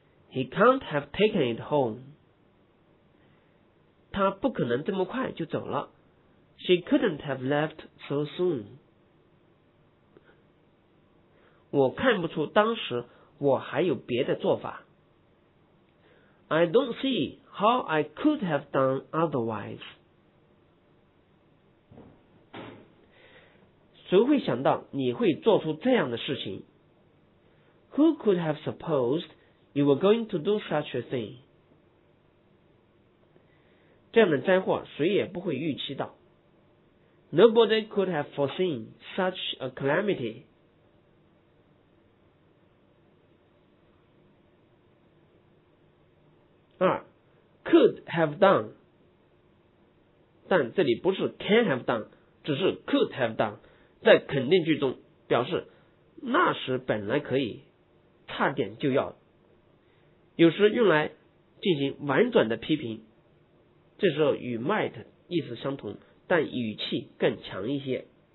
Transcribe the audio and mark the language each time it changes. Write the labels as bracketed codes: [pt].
[en] He can't have taken it home. [zh] 他不可能这么快就走了。 [en] She couldn't have left so soon. [zh] 我看不出当时我还有别的做法。 [en] I don't see how I could have done otherwise. [zh] 谁会想到你会做出这样的事情？ [en] Who could have supposed? You were going to do such a thing. [zh] 这样的灾祸谁也不会预期到。 [en] Nobody could have foreseen such a calamity. [zh] 二 ，could have done 但这里不是 can have done， 只是 could have done， 在肯定句中表示那时本来可以，差点就要，有时用来进行婉转的批评，这时候与 might 意思相同，但语气更强一些。